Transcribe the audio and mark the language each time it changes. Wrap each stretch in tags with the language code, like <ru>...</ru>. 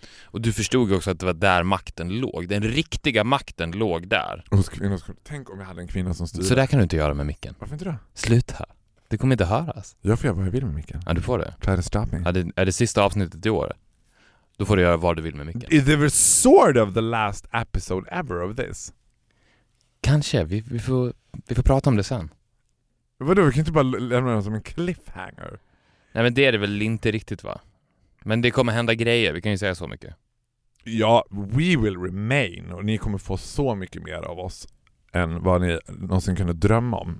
<sv>Och du förstod också att det var där makten låg. Den riktiga makten låg där. Tänk om jag hade en kvinna som styr. Så där kan du inte göra med micken. Varför inte då? Sluta. Det kommer inte höras. Jag får göra vad jag vill med micken. Ja, du får det.</sv> <en>Try to stop me.</en> <sv>Är det sista avsnittet i år? Då får du göra vad du vill med micken.</sv> <en>It was sort of the last episode ever of this.</en> <sv>Kanske. Vi får prata om det sen. Vadå? Vi kan inte bara lämna den som en cliffhanger. Nej, men det är det väl inte riktigt, va? Men det kommer hända grejer. Vi kan ju säga så mycket.</sv> <en>Ja, we will remain.</en> <sv>Och ni kommer få så mycket mer av oss än vad ni någonsin kunde drömma om.</sv>